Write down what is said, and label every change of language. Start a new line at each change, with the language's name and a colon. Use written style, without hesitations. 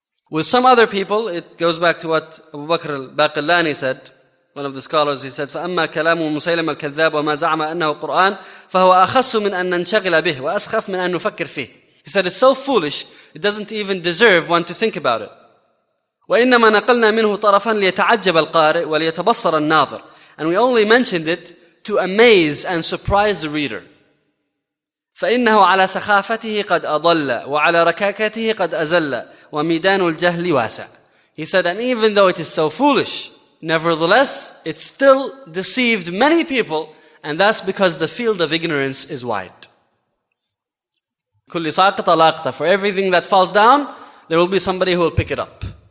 English: With some other people, it goes back to what Abu Bakr al-Baqillani said, one of the scholars, he said,
Arabic: فَأَمَّا كَلَامُ مُسَيْلَمَ الْكَذَّابُ وَمَا زَعْمَ أَنَّهُ قُرْآنَ فَهُوَ أَخَصُّ مِنْ أَنَّ نَنْشَغِلَ بِهِ وَأَسْخَفْ مِنْ أَنْ نُفَكِّرْ فِيهِ.
English: He said, it's so foolish, it doesn't even deserve one to think about it.
Arabic: وَإِنَّمَا نَقَلْنَا مِنْهُ طَرَفًا لِيَتَعَجَّبَ الْقَارِئِ وَلِيَتَبَصَّرَ النَّاظِرِ.
English: And we only mentioned it to amaze and surprise the reader.
Arabic: فإنه على سخافته قد أضل وعلى ركاكته قد أزل وميدان الجهل واسع.
English: He said, and even though it is so foolish, nevertheless, it still deceived many people, and that's because the field of ignorance is wide.
Arabic: كل ساقطة لاقطة.
English: For everything that falls down, there will be somebody who will pick it up.